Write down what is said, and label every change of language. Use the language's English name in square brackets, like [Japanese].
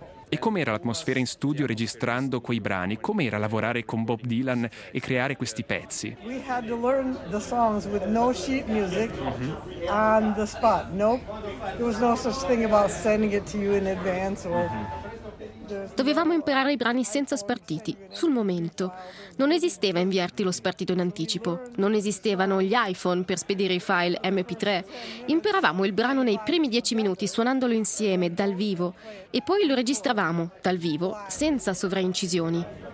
[Italian] E com'era l'atmosfera in studio registrando quei brani? Com'era lavorare con Bob Dylan e creare questi pezzi? [English] We had to learn the songs with no sheet music on the spot. Nope. There was no such thing about sending it to you in advance or [Italian] Dovevamo imparare i brani senza spartiti, sul momento. Non esisteva inviarti lo spartito in anticipo. Non esistevano gli iPhone per spedire i file MP3. Imparavamo il brano nei primi 10 minuti, suonandolo insieme, dal vivo. E poi lo registravamo, dal vivo, senza sovraincisioni.